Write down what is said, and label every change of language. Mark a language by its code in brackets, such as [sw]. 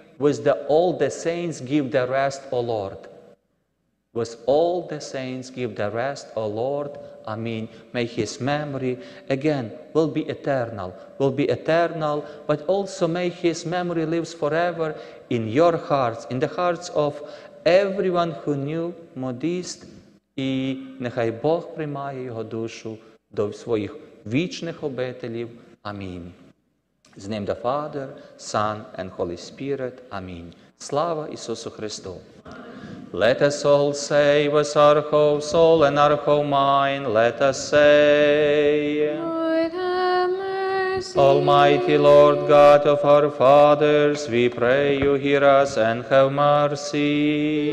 [en] With all the saints give the rest, O Lord. With all the saints give the rest, O Lord. Amen. May His memory, again, will be eternal. Will be eternal, but also may His memory lives forever in your hearts, in the hearts of everyone who knew Modiste. [uk] І нехай Бог приймає його душу до своїх вічних обителів. [en] Amen. In the name of the Father, Son, and Holy Spirit. Amen. [uk] Slava Isusu Christu. [en] Let us all say with our whole soul and our whole mind, let us say, Lord, have mercy. mercy. Almighty Lord God of our fathers, we pray you hear us and have mercy.